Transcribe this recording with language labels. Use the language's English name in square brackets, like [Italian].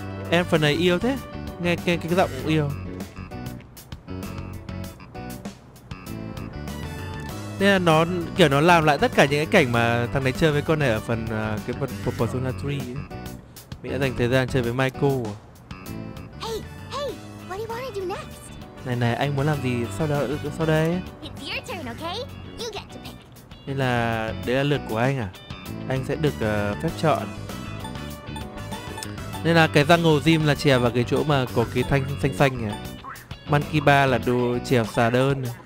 [Vietnamese] Em phần này yêu thế. Nghe cái giọng cũng yêu. Nên là nó kiểu nó làm lại tất cả những cái cảnh mà thằng này chơi với con này ở phần cái phần của Persona 3 ấy. Mình đã dành thời gian chơi với Michael. [English] Hey, hey, what do you want to do next? [Vietnamese] Này này, anh muốn làm gì sau đó sau đây? [English] It's your turn, okay? You get to pick. [Vietnamese] Nên là đấy là lượt của anh à? Anh sẽ được phép chọn. Nên là cái răng ngầu gym là chèo vào cái chỗ mà có cái thanh xanh xanh nhỉ. Monkey bar là đồ chèo xà đơn.